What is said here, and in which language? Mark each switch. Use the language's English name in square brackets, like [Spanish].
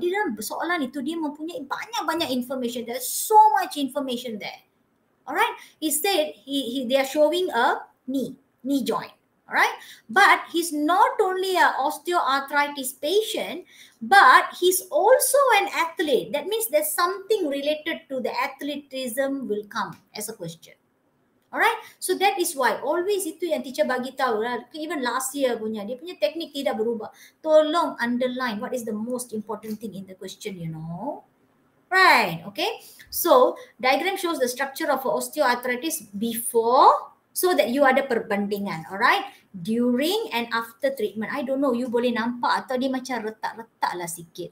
[Malay] Di dalam soalan itu dia mempunyai banyak-banyak information. [English] There's so much information there. Alright? He said they are showing a knee joint, right? But he's not only an osteoarthritis patient, but he's also an athlete. That means there's something related to the athleticism will come as a question. Alright, so that is why always [Malay] itu yang [English] teacher [Malay] bagi tahu. [English] Even last year [Malay] punya, dia punya teknik tidak berubah. Tolong [English] underline what is the most important thing in the question, you know. Right, okay. So, diagram shows the structure of osteoarthritis before, so that you [Malay] ada perbandingan, [English] alright? During and after treatment. I don't know, you [Malay] boleh nampak atau dia macam retak-retak lah sikit.